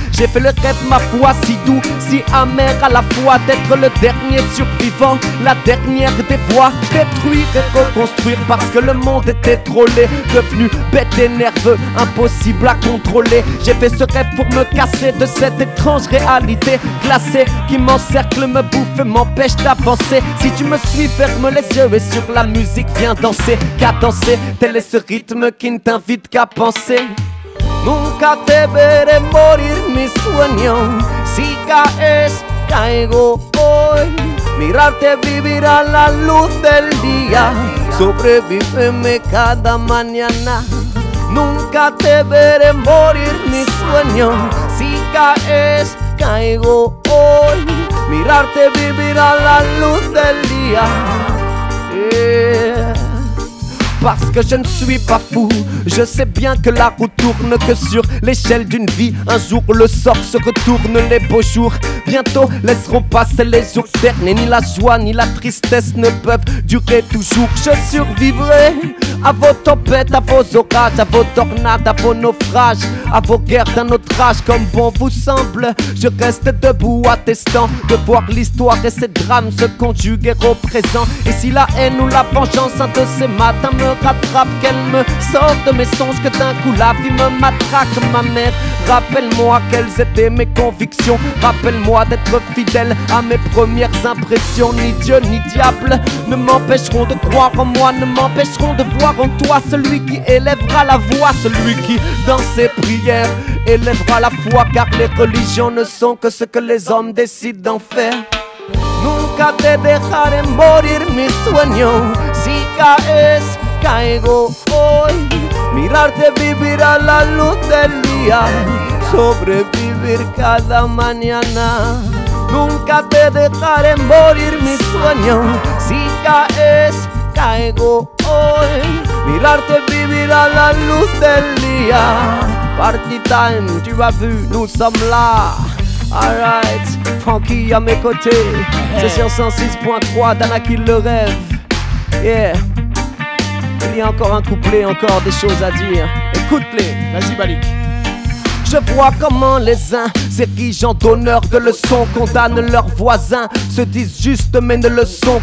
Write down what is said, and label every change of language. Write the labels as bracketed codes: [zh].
[fr] J'ai fait le rêve, ma foi, si doux, si amer à la fois, d'être le dernier survivant, la dernière des voix, détruire et reconstruire parce que le monde était trop laid, devenu bête et nerveux, impossible à contrôler. J'ai fait ce rêve pour me casser de cette étrange réalité glacée qui m'encercle, me bouffe et m'empêche d'avancer. Si tu me suis, ferme les yeux et sur la musique viens danser, cadencer. Tel est ce rythme qui ne t'invite qu'à penser. [es] Nunca te veré morir mi sueño, si caes caigo hoy, mirarte vivir a la luz del día, sobrevíveme cada mañana. Nunca te veré morir mi sueño, si caes caigo hoy, mirarte vivir a la luz del día, yeah. [fr] Parce que je ne suis pas fou, je sais bien que la roue tourne que sur l'échelle d'une vie. Un jour le sort se retourne, les beaux jours bientôt laisseront passer les jours derniers. Ni la joie ni la tristesse ne peuvent durer toujours. Je survivrai à vos tempêtes, à vos orages, à vos tornades, à vos naufrages, à vos guerres d'un autre âge. Comme bon vous semble, je reste debout attestant de voir l'histoire et ses drames se conjuguer au présent. Et si la haine ou la vengeance un de ces matins me rattrape, qu'elle me sorte de mes songes, que d'un coup la vie me matraque. Ma mère, rappelle-moi quelles étaient mes convictions, rappelle-moi d'être fidèle à mes premières impressions. Ni Dieu ni diable ne m'empêcheront de croire en moi, ne m'empêcheront de voir en toi celui qui élèvera la voix, celui qui dans ses prières élèvera la foi. Car les religions ne sont que ce que les hommes décident d'en faire. [es] Nunca te dejaré morir mi sueño, si caes caigo hoy, mirarte vivir a la luz del día, sobrevivir cada mañana. Nunca te dejaré morir mi sueño, si caes caigo hoy, mirarte vivir a la luz del día. [en] Party time, [fr] tu as vu, nous sommes là. [en] Alright, [fr] Francky à mes côtés, c'est sur 106.3, Dana qui le rêve. Yeah. Il y a encore un couplet, encore des choses à dire. Écoute-les. Vas-y, Balik. Je vois comment les uns, ces dirigeants d'honneur de leçons, condamnent leurs voisins, se disent justes mais ne le sont.